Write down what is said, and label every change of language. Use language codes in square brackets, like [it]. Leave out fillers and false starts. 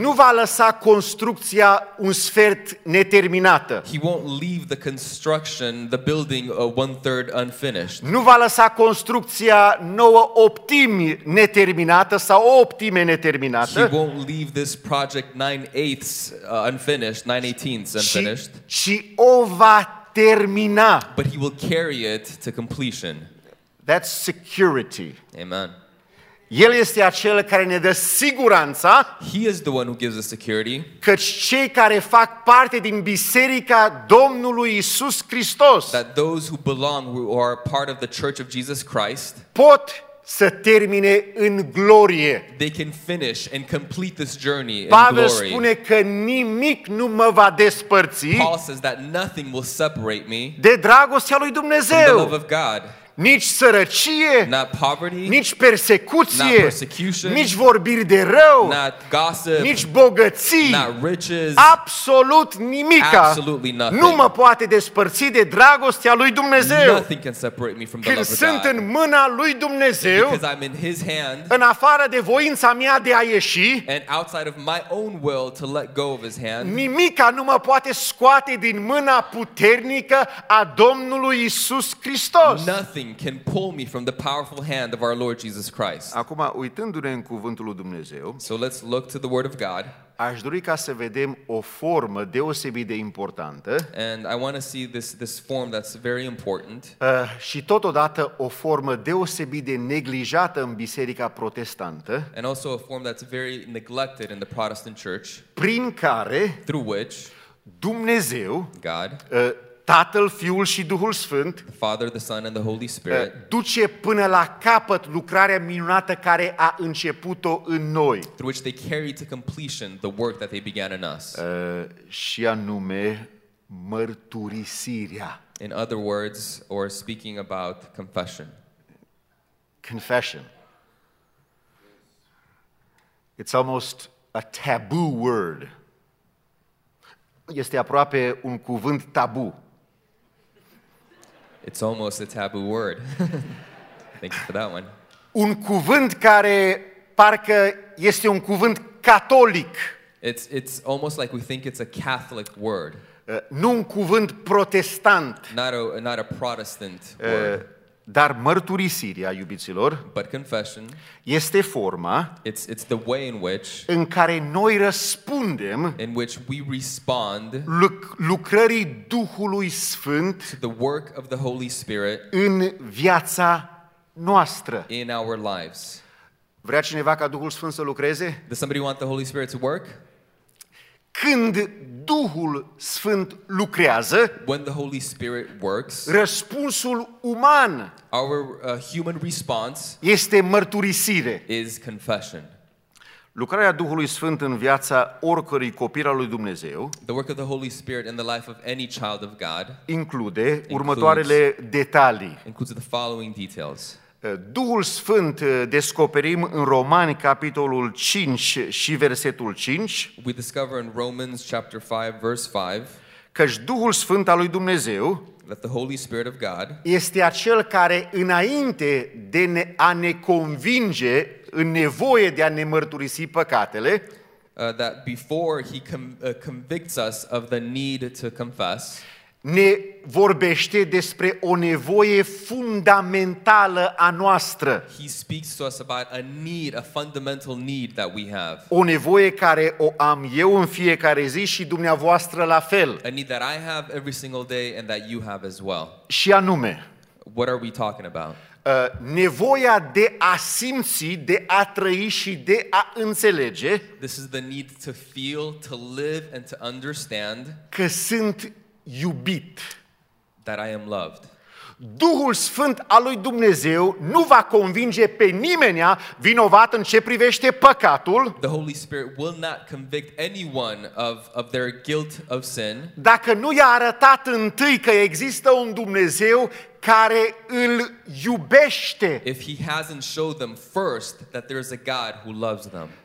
[ro] nu va lăsa construcția un sfert neterminată. [en] He won't leave the construction, the building one third unfinished. [ro] Nu va lăsa construcția nouă optimi neterminată sau optime neterminată. [en] He won't leave this project 9/8 unfinished, 9/18 unfinished. [ro] Ci o va termina. [en] But he will carry it to completion. That's security. Amen. [ro] El este acel care ne dă siguranța. [en] He is the one who gives us security. [ro] Căci cei care fac parte din biserica Domnului Iisus Hristos. [en] That those who belong who are part of the Church of Jesus Christ. [ro] Pot să termine în glorie. [en] They can finish and complete this journey in [ro] Pavel [en] glory. [ro] Pavel spune că nimic nu mă va despărți. [en] Paul says that nothing will separate me. [ro] De dragostea lui Dumnezeu. [en] From the love of God. [ro] Nici sărăcie. [en] Not poverty. [ro] Nici persecuție. [en] Not persecution. [ro] Nici vorbiri de rău. [en] Not gossip. [ro] Nici bogății. [en] Not riches. [ro] Absolut nimica. [en] Absolutely nothing. [ro] Nu mă poate despărți de dragostea lui Dumnezeu. [en] Nothing can separate me from the love of God. [ro] Sunt în mâna lui Dumnezeu. [en] Because I'm in his hand. [ro] În afară de voința mea de a ieși. [en] And outside of my own will to let go of his hand. [ro] Nimica nu mă poate scoate din mâna puternică a Domnului Iisus Hristos. [en] Nothing can pull me from the powerful hand of our Lord Jesus Christ. [ro] Acum, uitându-ne în cuvântul lui Dumnezeu, [en] so let's look to the word of God. [ro] Aș dori ca să vedem o formă deosebit de importantă. [en] And I want to see this form that's very important. [ro] Și totodată o formă deosebit de neglijată în biserica protestantă. [en] And also a form that's very neglected in the Protestant church. [ro] Prin care, [en] through which, [ro] Dumnezeu, [en] God, [ro] Tatăl, Fiul și Duhul Sfânt, [en] the Father, the Son, and the Holy Spirit, [ro] duce până la capăt lucrarea minunată care a început-o în noi. [en] Through which they carry to completion the work that they began in us. [ro] Și anume mărturisirea. [en] In other words, or speaking about confession. Confession. It's almost a taboo word. [ro] Este aproape un cuvânt tabu. [en] It's almost a taboo word. Thank you for that one. [ro] Un cuvânt care parcă este un cuvânt catolic. [en] It's almost like we think it's a Catholic word. [ro] Nu un cuvânt protestant. [en] Not a Protestant word. [ro] Dar mărturisirea, iubiților, [en] but confession, [ro] este forma [en] it's the way in which, [ro] în care noi răspundem [en] in which we respond [ro] lucrării Duhului Sfânt [en] the work of the Holy Spirit [ro] în viața noastră. [en] In our lives. [ro] Vrea cineva ca Duhul Sfânt să lucreze? [en] Does somebody want the Holy Spirit to work? [ro] Când Duhul Sfânt lucrează, [en] when the Holy Spirit works, [ro] răspunsul uman, [en] our human response, [ro] este mărturisire. [en] Is confession. [ro] Lucrarea Duhului Sfânt în viața oricărui copil al lui Dumnezeu, [en] the work of the Holy Spirit in the life of any child of God, [ro] include următoarele detalii. [en] Includes the following details. [ro] Duhul Sfânt descoperim în Romani capitolul 5 și versetul 5. [en] We discover in Romans chapter 5 verse 5. [ro] Căci Duhul Sfânt al lui Dumnezeu, [en] that the Holy Spirit of God, [ro] este acel care înainte de a ne convinge în nevoie de a ne mărturisi păcatele, [en] that before he convicts us of the need to confess, [ro] ne vorbește despre o nevoie fundamentală a noastră. [en] He speaks to us about a need, a fundamental need that we have. [ro] O nevoie care o am eu în fiecare zi și dumneavoastră la fel. [en] A need that I have every single day and that you have as well. [ro] Și anume, [en] what are we talking about? [ro] Nevoia de a simți, de a trăi și de a înțelege. [en] This is the need to feel, to live and to understand. [ro] Că sunt iubit. [en] That I am loved. [ro] Duhul Sfânt al lui Dumnezeu nu va convinge pe nimeni vinovat în ce privește păcatul. [en] The Holy Spirit will not convict anyone of their guilt of sin. [ro] Dacă nu i-a arătat întâi că există un Dumnezeu care îl iubește. [en] If he hasn't showed them first that there is a God who loves them.